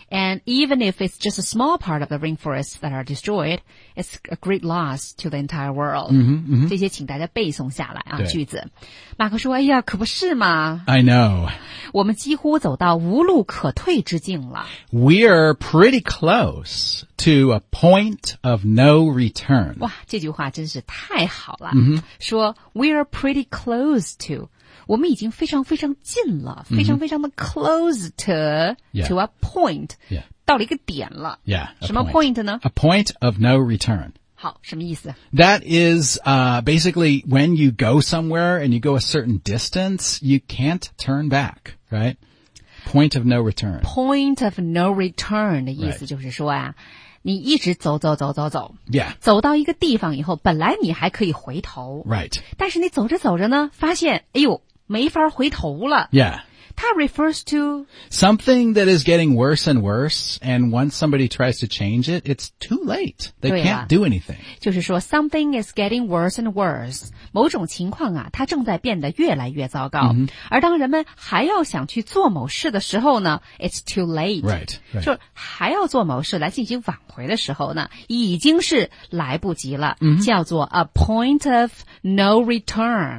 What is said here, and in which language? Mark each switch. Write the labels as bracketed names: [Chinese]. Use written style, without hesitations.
[English] And even if it's just a small part of the rainforests that are destroyed, it's a great loss to the entire world. Mm-hmm, mm-hmm. [Chinese] 这些请大家背诵下来啊，句子。马克说，哎呀，可不是嘛。 [English] I know. [Chinese] 我们几乎走到无路可退之境了。 [English] We're pretty close to a point of no return. [Chinese] 哇，这句话真是太好了。 Mm-hmm. 说 [English] we're pretty close to... [Chinese] 我们已经非常非常近了、mm-hmm. 非常非常的 [English] close to,、 yeah. to a point,、 yeah. [Chinese] 到了一个点了。 [English] Yeah, [Chinese] 什么 point 呢 [English] ?A point of no return. [Chinese] 好什么意思 [English] ?That is,、basically when you go somewhere and you go a certain distance, you can't turn back, right? Point of no return. Point of no return [Chinese] 的意思就是说啊、 [English] right. [Chinese] 你一直走走走走走。 [English] Yeah. [Chinese] 走到一个地方以后本来你还可以回头。 [English] Right. [Chinese] 但是你走着走着呢发现哎呦没法回头了。 [English] Yeah. [Chinese] 它 [English] refers to... Something that is getting worse and worse, and once somebody tries to change it, it's too late. They can't do anything. [Chinese] 就是说 [English] something is getting worse and worse. [Chinese] 某种情况啊它正在变得越来越糟糕。 Mm-hmm. 而当人们还要想去做某事的时候呢 [English] it's too late. Right, right. [Chinese] 就还要做某事来进行挽回的时候呢已经是来不及了。 Mm-hmm. 叫做 [English] a point of no return.